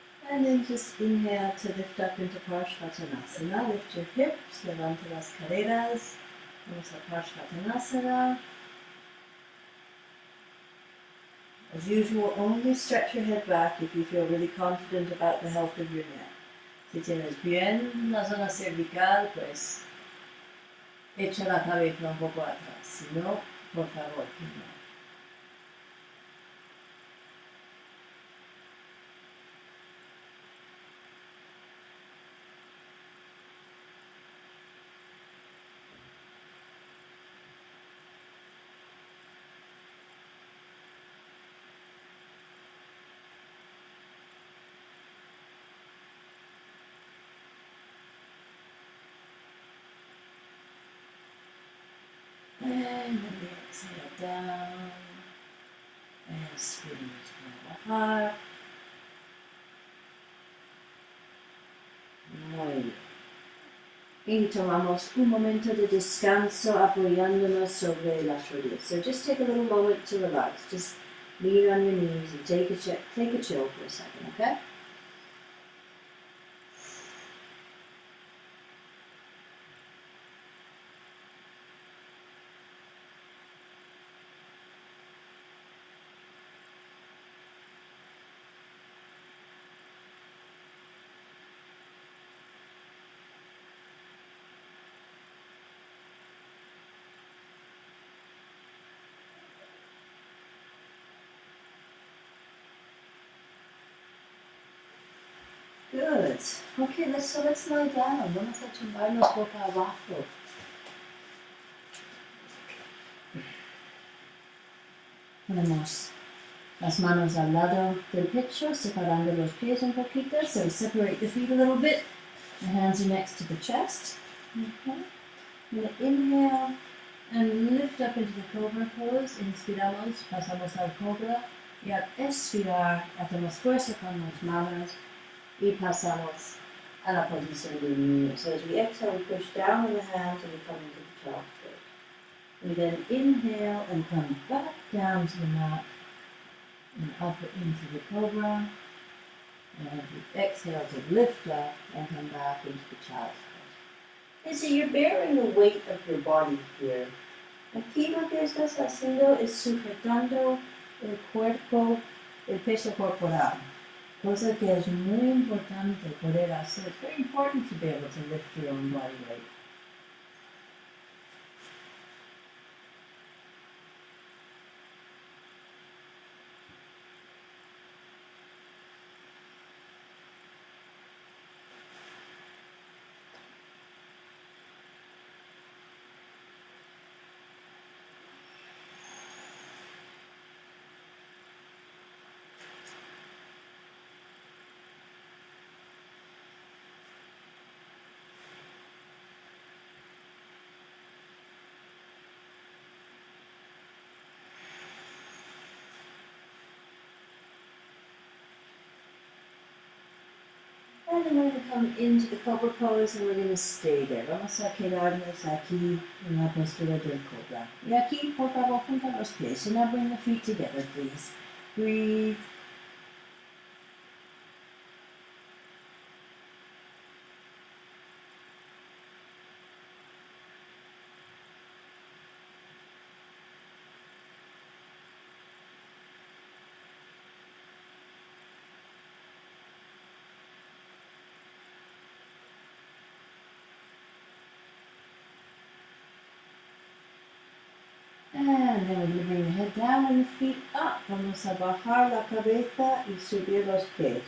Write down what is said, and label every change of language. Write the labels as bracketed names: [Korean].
[English] And then just inhale to lift up into Parshvatanasana. Lift your hips, [Spanish] levanta las caderas. Vamos a Parshvatanasana. [English] As usual, only stretch your head back if you feel really confident about the health of your neck. [Spanish] Si tienes bien la zona cervical, pues echa la cabeza un poco atrás. Si no, por favor, que no. [English] And then we exhale down and squeeze from the heart. [Spanish] Muy bien. Y tomamos un momento de descanso apoyándonos sobre las rodillas. [English] So just take a little moment to relax. Just lean on your knees and take a chill for a second, okay? Good. Okay, let's lie down. [Spanish] Vamos a tumbarnos boca abajo. Ponemos las manos al lado del pecho, separando los pies un poquito. [English] So separate the feet a little bit. The hands are next to the chest. Okay. And inhale and lift up into the cobra pose. [Spanish] Inspiramos, pasamos al cobra. Y al expirar, hacemos fuerza con las manos. Y pasamos a la posición del niño. [English] So as we exhale, we push down with the hands and we come into the child's pose. We then inhale and come back down to the mat and up into the cobra. And we exhale to lift up and come back into the child's pose. And so you're bearing the weight of your body here. [Spanish] Aquí lo que estás haciendo es sujetando el cuerpo, el peso corporal. Cosa que es muy importante poder hacer. [English] It's very important to be able to lift your own body weight. And then we're going to come into the cobra pose and we're going to stay there. [Spanish] Vamos a quedarnos aquí en la postura del cobra. Y aquí, por favor, junta los pies. [English] And now bring the feet together, please. Breathe. And then we're going to bring the head down and the feet up. [Spanish] Vamos a bajar la cabeza y subir los pies.